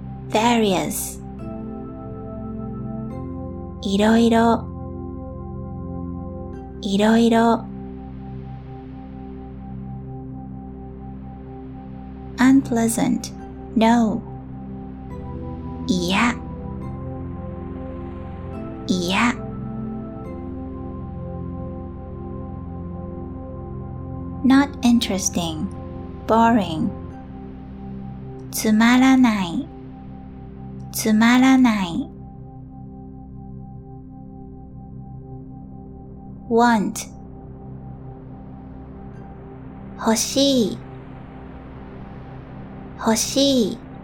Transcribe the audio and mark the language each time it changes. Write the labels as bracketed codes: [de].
[ja] various, いろいろ、いろいろ。 [en] unpleasant, no, [ja] いや、いや。 [en] Not interesting, boring. [ja] つまらない、つまらない。 want, 欲しい、欲しい。